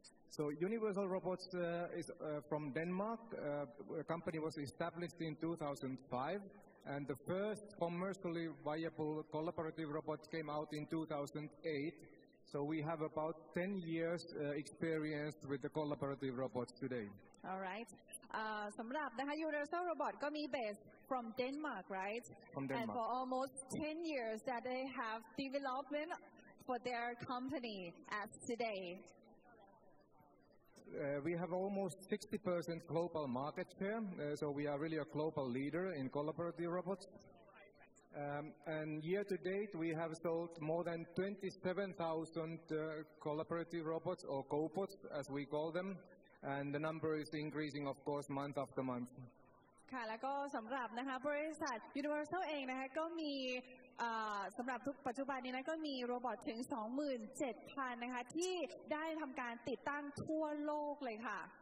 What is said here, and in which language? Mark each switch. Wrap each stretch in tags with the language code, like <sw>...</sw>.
<en>So Universal Robots is from Denmark. The company was established in 2005, and the first commercially viable collaborative robot came out in 2008. So we have about 10 years experience with the collaborative robots today. All right.</en> <th>สำหรับนะคะ</th> <en>Universal Robot</en> <th>ก็มี</th> <en>base from Denmark, right? From Denmark. And for almost 10 years that they have development for their company as today. We have almost 60% global market share, so we are really a global leader in collaborative robots. And year to date, we have sold more than 27,000 collaborative robots, or cobots, as we call them. And the number is increasing, of course, month after month.</en> <th>ค่ะแล้วก็สำหรับนะคะบริษัท Universal เองนะคะก็มีสำหรับทุกปัจจุบันนี้นะก็มีโรบอทถึง 27,000 นะคะที่ได้ทำการติดตั้งทั่วโลกเลยค่ะ</th>